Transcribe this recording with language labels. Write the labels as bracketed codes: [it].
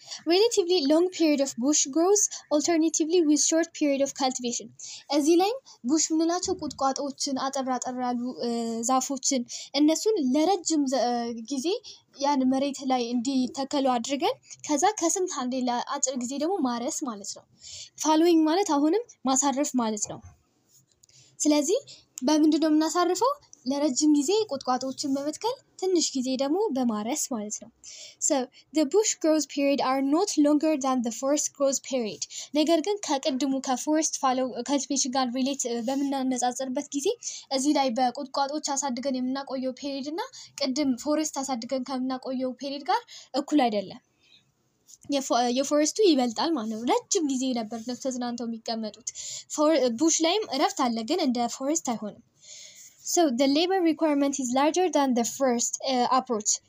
[en] relatively long period of bush growth alternatively with short period of cultivation [am] እዚህ ላይ ቡሽ ምንላቸው ቁጥቋጦችን አጠራ አጠራ ያሉ ዛፎችን እነሱን ለረጅም ጊዜ ያን መሬት ላይ እንዲተከሉ አድርገን ከዛ ከስንት አንዴ ለአጭር ጊዜ ደግሞ ማረስ ማለት ነው። following ማለት አሁንም ማሳረፍ ማለት ነው። ስለዚህ በምንድን ነው የምናሳርፈው? ለረጅም ጊዜ ቁጥቋጦችን በመትከል ትንሽ ጊዜ ደግሞ በማረስ ማለት ነው። [en] So the bush growth period are not longer than the forest growth period. [am] ነገር ግን ከቅድሙ ከፎረስት ፎሎው ካልቲቬሽን ጋር ሪሌት በምናነጻጽርበት ጊዜ እዚህ ላይ በቁጥቋጦች አሳድገን የምናቆየው ፔሪድ እና ቅድም ፎረስት አሳድገን ከምናቆየው ፔሪድ ጋር እኩል አይደለም። የፎረስቱ ይበልጣል ማለት ነው። ረጅም ጊዜ ነበር ነው ተዝናንተው የሚቀመጡት። ቡሽ ላይም እረፍት አለ፣ ግን እንደ ፎረስት አይሆንም። [en] So the labor requirement is larger than the first approach.